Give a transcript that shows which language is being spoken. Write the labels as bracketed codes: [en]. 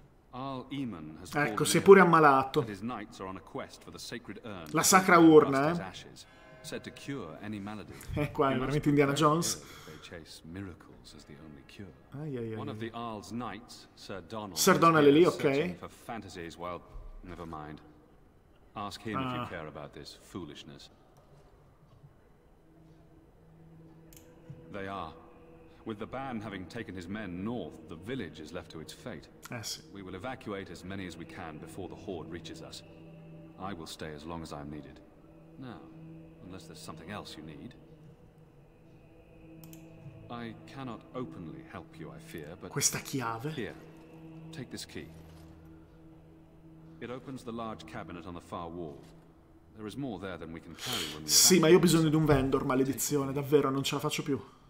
[it] Al-Iman has ecco, si è pure ammalato. [en] His knights are on a quest for the sacred urn. [it] La sacra urna, eh? [en] Said to cure any malady. [it] Qua, veramente [en] Indiana Jones. They chase miracles as the only cure. One of the Arl's knights, Sir Donald. Sir Donald [it] è lì, ok. [en] For fantasies, well, never mind. Ask him if you care about this foolishness. They are. With the Ban having taken his men north, the village is left to its fate. Yes. We will evacuate as many as we can before the Horde reaches us. I will stay as long as I'm needed. Now, unless there's something else you need. I cannot openly help you, I fear, but... [it] Questa chiave? [en] Here, take this key. It opens the large cabinet on the far wall. There is more there than we can carry when we... [it] Sì, ma io ho bisogno di un vendor, maledizione, davvero, non ce la faccio più.